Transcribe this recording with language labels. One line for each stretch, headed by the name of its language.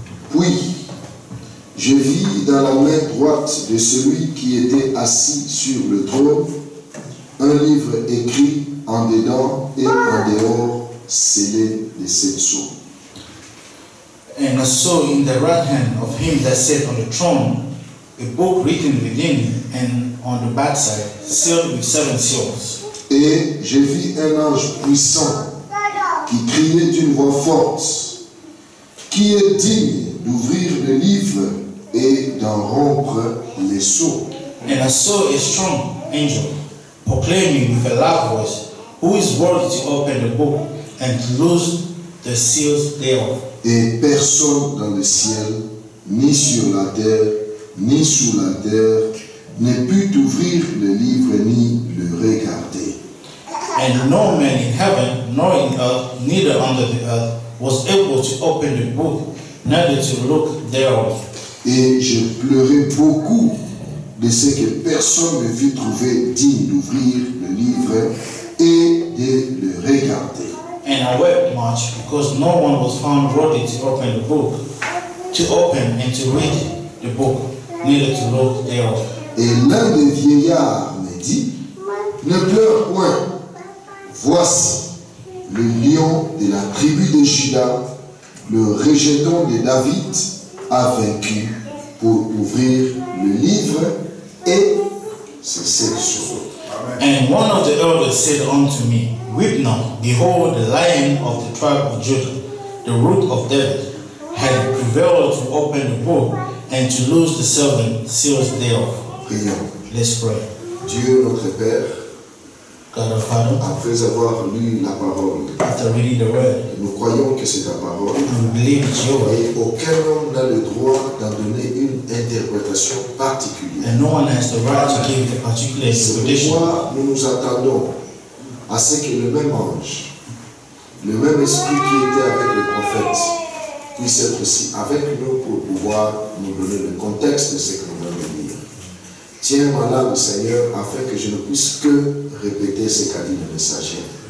French: Puis, je vis dans la main droite de celui qui était assis sur le trône un livre écrit en dedans et en dehors, scellé de sept sceaux.
English: And I saw in the right hand of him that sat on the throne a book written within and on the backside, sealed with seven seals.
French: Et je vis un ange puissant qui criait d'une voix forte : qui est digne d'ouvrir le livre et d'en rompre les sceaux.
English: And I saw a strong angel proclaiming with a loud voice, who is worthy to open the book and to loose the seals thereof.
French: Et personne dans le ciel, ni sur la terre, ni sous la terre, ne put ouvrir le livre ni le regarder.
English: And no man in heaven, nor in earth, neither under the earth, was able to open the book, neither to look thereof.
French: Et je pleurais beaucoup de ce que personne ne fut trouvé digne d'ouvrir le livre et de le regarder.
English: And I wept much because no one was found worthy to open the book, to open and to read the book, neither to look thereof.
French: Et l'un des vieillards me dit, ne pleure point. Voici le lion de la tribu de Juda, le rejeton de David, a vaincu pour ouvrir le livre et ses sept sceaux.
English: And one of the elders said unto me, weep not, behold, the lion of the tribe of Judah, the root of David, hath prevailed to open the book and to loose the seven seals thereof.
French: Prions.
English: Let's pray.
French: Dieu notre Père, après avoir lu la parole,
English: after reading the word,
French: nous croyons que c'est ta parole.
English: We believe it's your word.
French: Et aucun homme n'a le droit d'en donner une interprétation particulière.
English: And no one has the right to give it a particular interpretation.
French: Pourquoi nous nous attendons à ce que le même ange, le même esprit qui était avec le prophète, puisse être aussi avec nous pour pouvoir nous donner le contexte de ce que nous allons lire. Tiens-moi là, mon Seigneur, afin que je ne puisse que répéter ce qu'a dit le messager.